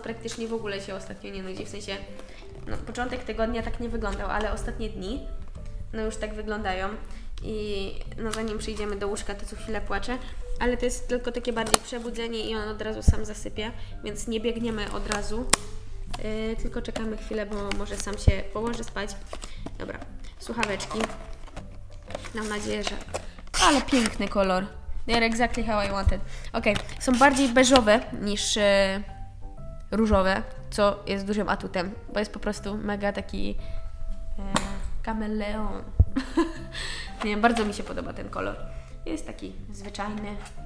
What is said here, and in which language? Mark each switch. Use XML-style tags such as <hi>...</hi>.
<pl>Praktycznie w ogóle się ostatnio nie nudzi. W sensie, no, początek tygodnia tak nie wyglądał, ale ostatnie dni no już tak wyglądają i no zanim przyjdziemy do łóżka, to co chwilę płacze, ale to jest tylko takie bardziej przebudzenie i on od razu sam zasypie, więc nie biegniemy od razu, tylko czekamy chwilę, bo może sam się położy spać. Dobra, słuchaweczki, mam nadzieję, że... ale piękny kolor,</pl> <en>they're exactly how I wanted.</en> <pl>Ok, są bardziej beżowe niż różowe, co jest dużym atutem, bo jest po prostu mega taki kameleon. Nie wiem, bardzo mi się podoba ten kolor. Jest taki zwyczajny.</pl>